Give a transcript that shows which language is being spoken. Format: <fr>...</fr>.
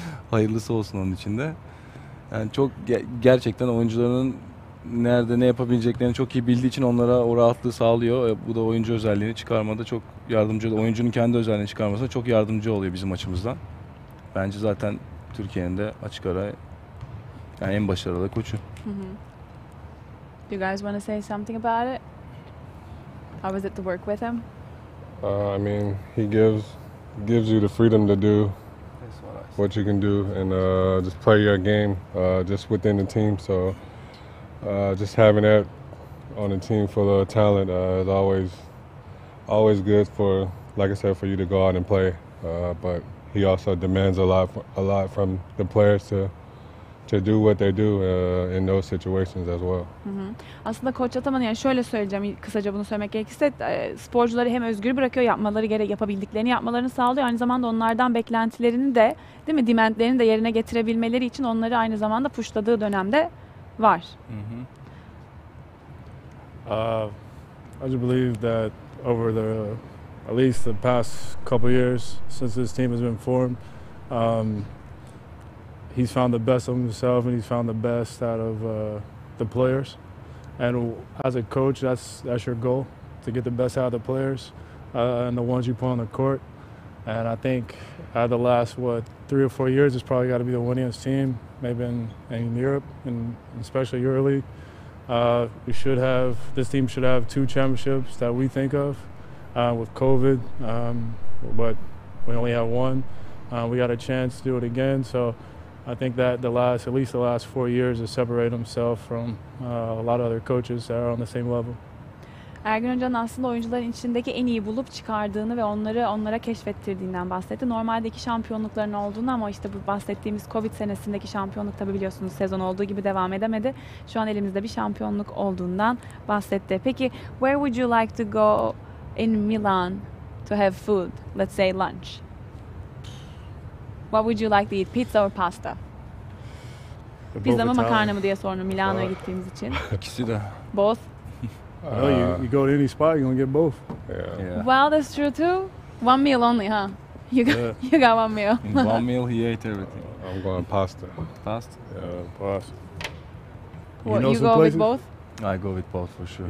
<tr>Hayırlısı olsun onun için de. Yani çok gerçekten oyuncuların nerede ne yapabileceklerini çok iyi bildiği için onlara o rahatlığı sağlıyor. Bu da oyuncu özelliğini çıkarmada çok yardımcı oluyor. Oyuncunun kendi özelliğini çıkarmasına çok yardımcı oluyor bizim açımızdan. Bence zaten Türkiye'nin de açık ara yani en başarılı koçu.</tr> <en>Do you guys want to say something about it? How was it to work with him? I mean, he gives you the freedom to do what you can do and just play your game just within the team. So just having that on a team full of talent is always good for, like I said, for you to go out and play. But he also demands a lot from the players to do what they do in those situations as well.</en> <tr>Aslında Koç Ataman, yani şöyle söyleyeceğim, kısaca bunu söylemek gerekirse, sporcuları hem özgür bırakıyor, yapmaları gereği yapabildiklerini yapmalarını sağlıyor. Aynı zamanda onlardan beklentilerini de, değil mi, demandlerini de yerine getirebilmeleri için onları aynı zamanda pushladığı dönemde var.</tr> <en>I just believe that over the at least the past couple years since this team has been formed, he's found the best of himself and he's found the best out of the players. And as a coach, that's your goal, to get the best out of the players and the ones you put on the court. And I think out of the last, what, 3 or 4 years, it's probably got to be the winningest team, maybe in Europe, and especially EuroLeague. This team should have 2 championships that we think of with COVID, but we only have 1. We got a chance to do it again, so I think that at least the last 4 years has separated himself from a lot of other coaches that are on the same level.</en> <tr>Ergin Hoca'nın aslında oyuncuların içindeki en iyi bulup çıkardığını ve onlara keşfettirdiğinden bahsetti. Normalde 2 şampiyonlukların olduğunu ama işte bu bahsettiğimiz Covid senesindeki şampiyonluk, tabii biliyorsunuz, sezon olduğu gibi devam edemedi. Şu an elimizde bir şampiyonluk olduğundan bahsetti.</tr> <en>Peki, where would you like to go in Milan to have food, let's say lunch? What would you like to eat, pizza or pasta?</en> <tr>Pizza mı makarna mı diye sordum Milano'ya gittiğimiz için. İkisi de.</tr> <en>Both? No, you go to any spot, you're gonna get both. Yeah. Well, that's true too. One meal only, huh? You got one meal. In one meal, he ate everything. I'm going pasta. Pasta? Yeah, pasta. What, you go places? With both? I go with both for sure.</en>